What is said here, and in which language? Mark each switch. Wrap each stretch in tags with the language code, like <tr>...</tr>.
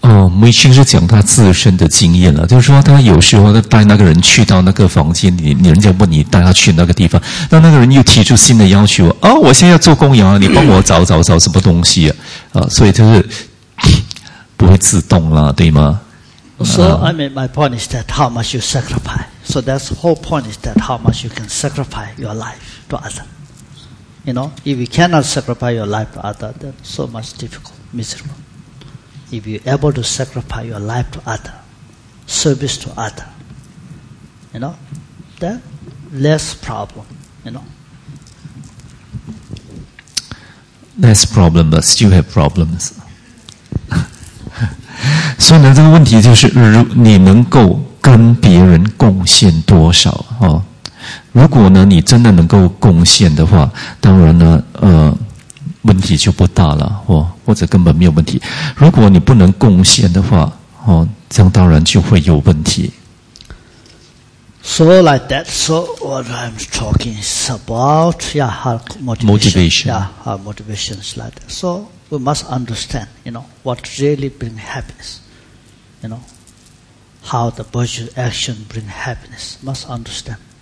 <zh>母亲是讲她自身的经验了，就是说她有时候带那个人去到那个房间，你人家问你带他去那个地方，那那个人又提出新的要求，哦，我现在要做公羊，你帮我找找找什么东西啊？所以就是不会自动了，对吗？</zh> <en>So I mean, my point is that how much you sacrifice. So that's the whole point is that how much you can sacrifice your life to other. You know, if you cannot sacrifice your life to other, then so much difficult, miserable. If you're able to sacrifice your life to other, service to other, you know, then less problem, you know. Less problem, but still have problems.</en> <zh>所以呢，这个问题就是，如你能够跟别人贡献多少啊、哦？如果呢，你真的能够贡献的话，当然呢，问题就不大了，或者根本没有问题。如果你不能贡献的话，哦，这样当然就会有问题。</zh> <en>So like that. So what I'm talking is about, yeah, her motivation. Yeah, her motivation is like that. So. We must understand, you know, what really bring happiness. You know, how the virtuous action bring happiness. Must understand.</en>